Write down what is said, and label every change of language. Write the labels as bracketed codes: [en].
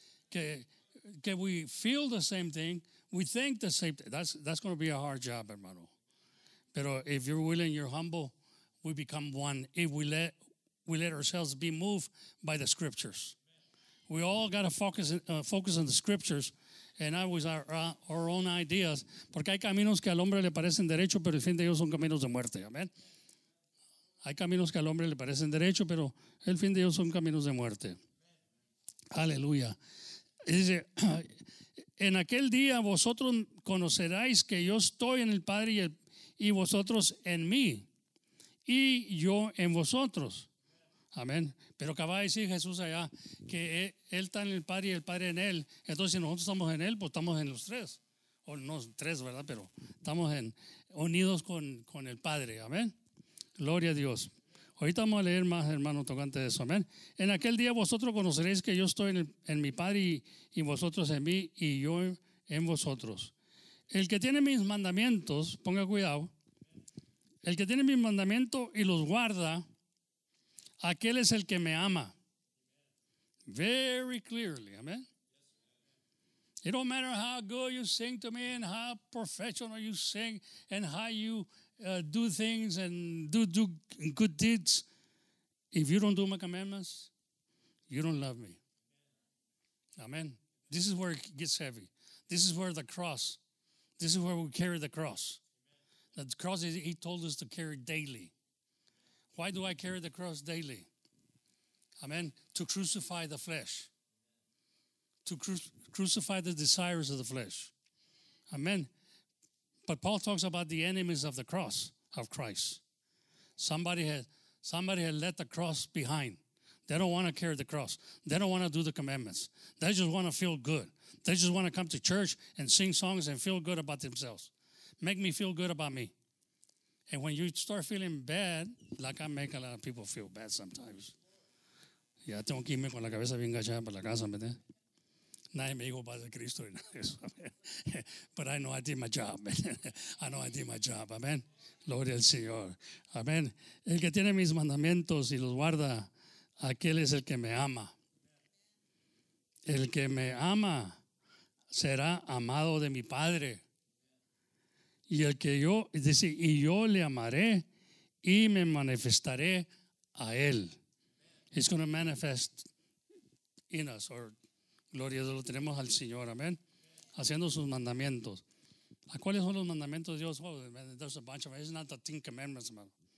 [en] Que we feel the same thing, we think the same thing. That's going to be a hard job, hermano. Pero if you're willing, you're humble, we become one. If we let ourselves be moved by the scriptures. We all got to focus on the scriptures and not with our own ideas. [es] Porque hay caminos que al hombre le parecen derecho, pero el fin de ellos son caminos de muerte. Amen. Hay caminos que al hombre le parecen derecho, pero el fin de ellos son caminos de muerte. Aleluya. Dice, en aquel día vosotros conoceráis que yo estoy en el Padre y el y vosotros en mí, y yo en vosotros. Amén. Pero acaba de decir Jesús allá que Él está en el Padre y el Padre en Él. Entonces, si nosotros estamos en Él, pues estamos en los tres. O no tres, ¿verdad? Pero estamos en unidos con el Padre. Amén. Gloria a Dios. Ahorita vamos a leer más, hermano, tocante de eso. Amén. En aquel día vosotros conoceréis que yo estoy en mi Padre y vosotros en mí, y yo en vosotros. El que tiene mis mandamientos, ponga cuidado, el que tiene mis mandamientos y los guarda, aquel es el que me ama. [en] Very clearly, amen. It don't matter how good you sing to me and how professional you sing and how you do things and do good deeds. If you don't do my commandments, you don't love me. Amen. This is where it gets heavy. This is where the cross. This is where we carry the cross. Amen. The cross is, he told us to carry daily. Why do I carry the cross daily? Amen. To crucify the flesh. To crucify the desires of the flesh. Amen. But Paul talks about the enemies of the cross of Christ. Somebody has left the cross behind. They don't want to carry the cross. They don't want to do the commandments. They just want to feel good. They just want to come to church and sing songs and feel good about themselves. Make me feel good about me. And when you start feeling bad, like I make a lot of people feel bad sometimes. [es] Ya tengo que irme con la cabeza bien gachada para la casa, ¿verdad? Nadie me dijo Padre Cristo y nada de eso. [en] But I know I did my job. I know I did my job. Amen. [es] Gloria al Señor. [en] Amen. [es] El que tiene mis mandamientos y los guarda, aquel es el que me ama. El que me ama será amado de mi Padre. Y el que yo, dice, y yo le amaré y me manifestaré a él. [en] He's going to manifest in us. [es] Or, gloria a Dios, lo tenemos al Señor, amén. Haciendo sus mandamientos. ¿Cuáles son los mandamientos de Dios? [en] Oh, there's a bunch of them. It's not the Ten Commandments, man.